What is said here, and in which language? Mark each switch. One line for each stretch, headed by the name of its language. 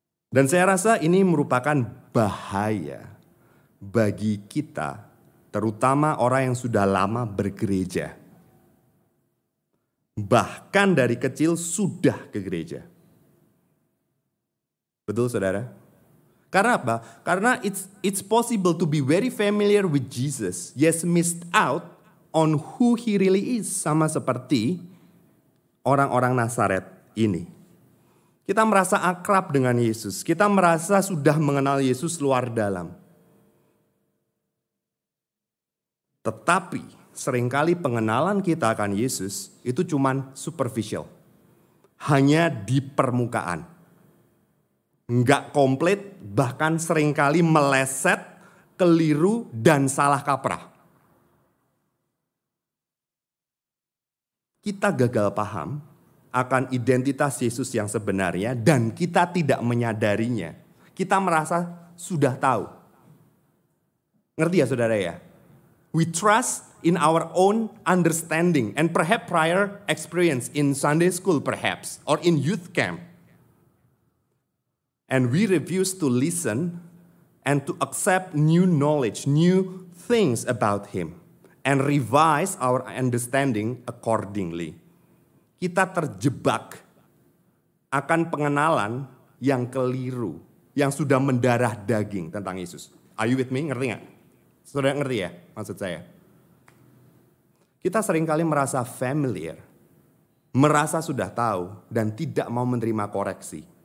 Indonesian: Dan saya rasa ini merupakan bahaya bagi kita, terutama orang yang sudah lama bergereja. Bahkan dari kecil sudah ke gereja. Betul, saudara? Karena apa? Karena
English: it's possible to be very familiar with Jesus, yet missed out on who he really is.
Indonesian: Sama seperti orang-orang Nazaret ini. Kita merasa akrab dengan Yesus. Kita merasa sudah mengenal Yesus luar dalam. Tetapi seringkali pengenalan kita akan Yesus itu cuman superficial. Hanya di permukaan. nggak komplit, bahkan seringkali meleset, keliru, dan salah kaprah. Kita gagal paham akan identitas Yesus yang sebenarnya dan kita tidak menyadarinya. Kita merasa sudah tahu. Ngerti ya saudara ya?
English: We trust in our own understanding and perhaps prior experience in Sunday school perhaps or in youth camp. And we refuse to listen and to accept new knowledge, new things about him, and revise our understanding accordingly.
Indonesian: Kita terjebak akan pengenalan yang keliru, yang sudah mendarah daging tentang Yesus.
English: Are you with me?
Indonesian: Ngerti gak? Sudah ngerti ya maksud saya? Kita seringkali merasa familiar, merasa sudah tahu, dan tidak mau menerima koreksi.